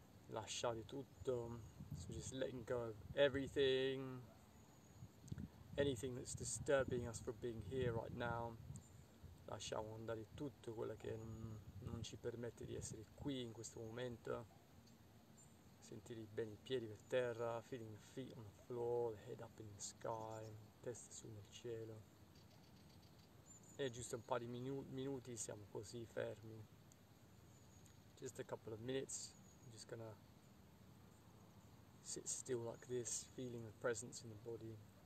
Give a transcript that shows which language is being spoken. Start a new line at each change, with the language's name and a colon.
Italian: Lasciare tutto,
English: so just letting go of everything, anything that's disturbing us for being here right now.
Italian: Lasciamo andare tutto quello che non ci permette di essere qui in questo momento. Sentire bene i piedi per terra,
English: feeling the feet on the floor, the head up in the sky,
Italian: testa su nel cielo. E giusto un paio di minuti siamo così fermi.
English: Just a couple of minutes, I'm just gonna sit still like this, feeling the presence in the body.